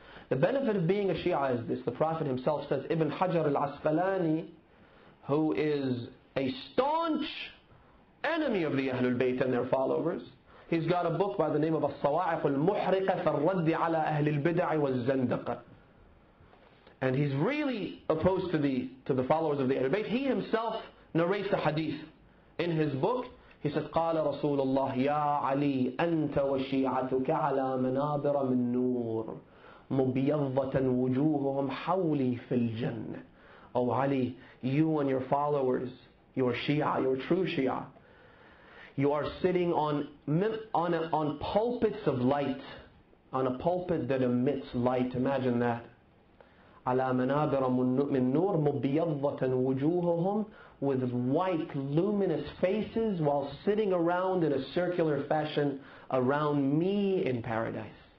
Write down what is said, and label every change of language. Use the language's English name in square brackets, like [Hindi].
[English] The benefit of being a Shia is this. The Prophet himself says, Ibn Hajar al-Asqalani, who is a staunch enemy of the Ahlul Bayt and their followers, he's got a book by the name of As-Sawa'iq al-Muhriqa fal-Raddi ala Ahli al-Bid'a wal-Zandaqa. And he's really opposed to the followers of the Ahlul Bayt. He himself narrates a hadith. In his book, he says, [Arabic] قَالَ رَسُولُ اللَّهِ يَا عَلِي أَنْتَ وَشِيعَتُكَ عَلَى مَنَابِرَ مِن نُورٍ مُبْيَضَّةً وُجُوهُهُمْ حَوْلِي فِي الْجَنَّةِ. [English] Oh Ali, you and your followers, your Shia, your true Shia, you are sitting on pulpits of light, on a pulpit that emits light. Imagine that. [Arabic] عَلَى مَنَابِرَ مِن نُورٍ مُبْيَضَّةً وُجُوهُهُمْ, [English] with white, luminous faces while sitting around in a circular fashion around me in paradise.